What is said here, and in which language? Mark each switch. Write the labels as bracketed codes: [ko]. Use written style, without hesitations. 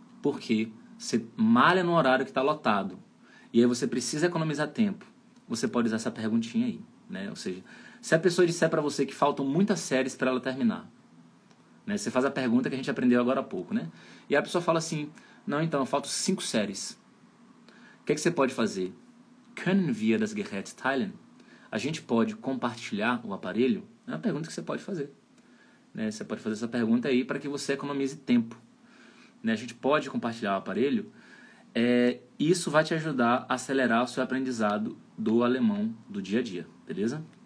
[pt] Porque você malha no horário que está lotado. E aí você precisa economizar tempo. Você pode usar essa perguntinha aí, né? Ou seja, se a pessoa disser para você que faltam muitas séries para ela terminar, né? Você faz a pergunta que a gente aprendeu agora há pouco, né? E a pessoa fala assim, não, então, faltam 5 séries. O que é que você pode fazer? [de] Können wir das Gerät teilen? [pt] A gente pode compartilhar o aparelho? É uma pergunta que você pode fazer, né? Você pode fazer essa pergunta aí para que você economize tempo, né? A gente pode compartilhar o aparelho? Isso vai te ajudar a acelerar o seu aprendizado do alemão do dia a dia, beleza?